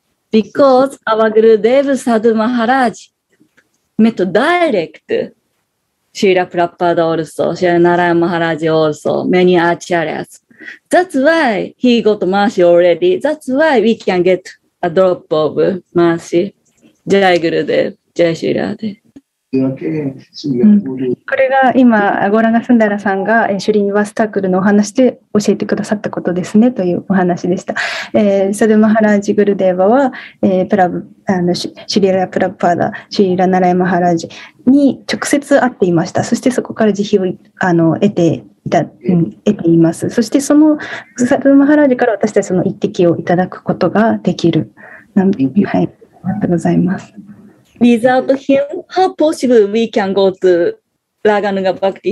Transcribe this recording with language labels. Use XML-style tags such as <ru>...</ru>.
<en>Because our Gurudev Sadhu Maharaj met direct Srila Prabhupada also, Srila Narayana Maharaj also, many acharyas. That's why he got mercy already. That's why we can get a drop of mercy. Jai Gurudev, Jai Srila Dev.</en> <ja>これが今ゴランガスンダラさんがシュリニバスタクルのお話で教えてくださったことですねというお話でした。サドゥマハラージ・グルデーバは、プラブあのシュリラ・プラブパーダシュリラ・ナライ・マハラージに直接会っていました。そしてそこから慈悲をあの得ていた、得ています。そしてそのサドゥマハラージから私たちその一滴をいただくことができる。はい、ありがとうございます。</ja> <en>Without him, how possible we can go to Raganuga Bhakti?</en>